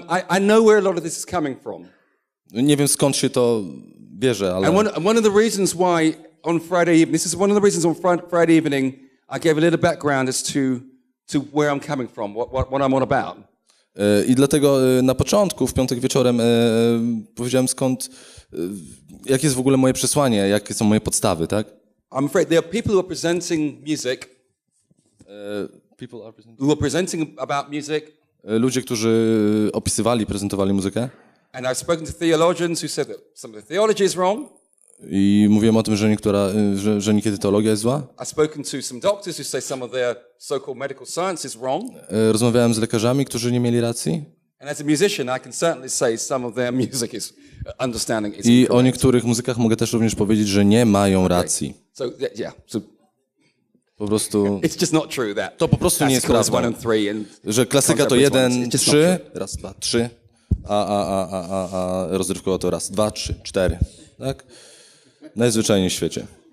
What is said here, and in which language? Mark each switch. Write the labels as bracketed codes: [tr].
[en] I know where a lot of this is coming from. [pl] Nie wiem, skąd się to bierze, ale. [en] And one of the reasons why on Friday evening, this is one of the reasons on Friday evening, I gave a little background as to where I'm coming from, what I'm on about. [pl] I dlatego na początku, w piątek wieczorem, powiedziałem skąd, jakie jest w ogóle moje przesłanie, jakie są moje podstawy, tak? [en] I'm afraid there are people who are presenting music. Who are presenting about music? [pl] Ludzie, którzy opisywali, prezentowali muzykę. [en] And I've spoken to theologians who said that some of the theology is wrong. [pl] I mówiłem o tym, że niekiedy teologia jest zła. [en] I've spoken to some doctors who say some of their so-called medical science is wrong. [pl] Rozmawiałem z lekarzami, którzy nie mieli racji. [en] And as a musician, I can certainly say some of their music is understanding is wrong. [pl] I o niektórych muzykach mogę też również powiedzieć, że nie mają racji. [en] Okay. So yeah. So, [pl] po prostu, [en] it's just not true that [pl] to po prostu nie jest prawdą, że klasyka to 1, 3, raz, 2, 3, a rozrywkowa to 1, 2, 3, 4, tak? Najzwyczajniej w świecie.